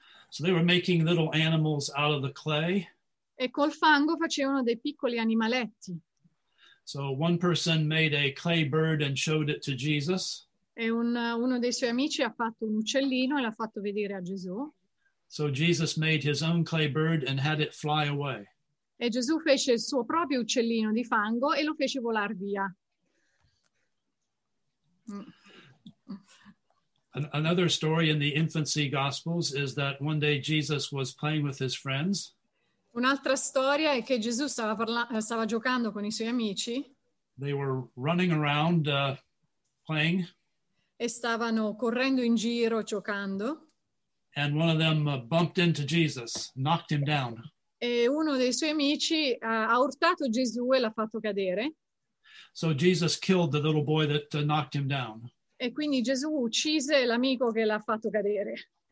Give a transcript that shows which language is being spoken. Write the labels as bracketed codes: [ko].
[en] So they were making little animals out of the clay. [it] E col fango facevano dei piccoli animaletti. [en] So one person made a clay bird and showed it to Jesus. [it] E uno dei suoi amici ha fatto un uccellino e l'ha fatto vedere a Gesù. [en] So Jesus made his own clay bird and had it fly away. [it] E Gesù fece il suo proprio uccellino di fango e lo fece volare via. [en] Another story in the infancy gospels is that one day Jesus was playing with his friends. [it] Un'altra storia è che Gesù stava giocando con i suoi amici. [en] They were running around playing. [it] E stavano correndo in giro giocando. [en] And one of them bumped into Jesus, knocked him down. [it] E uno dei suoi amici ha urtato Gesù e l'ha fatto cadere. [en] So Jesus killed the little boy that knocked him down. [it] E quindi Gesù uccise l'amico che l'ha fatto cadere.